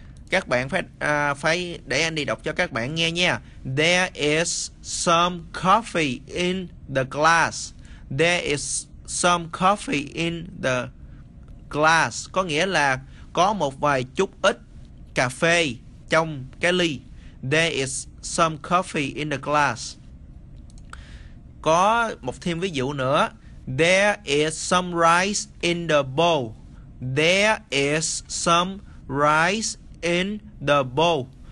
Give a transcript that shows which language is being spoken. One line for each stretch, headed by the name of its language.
Vietnamese: Các bạn phải để anh đi đọc cho các bạn nghe nha.
English: There is some coffee in the glass. There is some coffee in the glass.
Vietnamese: Có nghĩa là có một vài chút ít cà phê trong cái ly.
English: There is some coffee in the glass.
Vietnamese: Có một thêm ví dụ nữa.
English: There is some rice in the bowl. There is some rice in the bowl.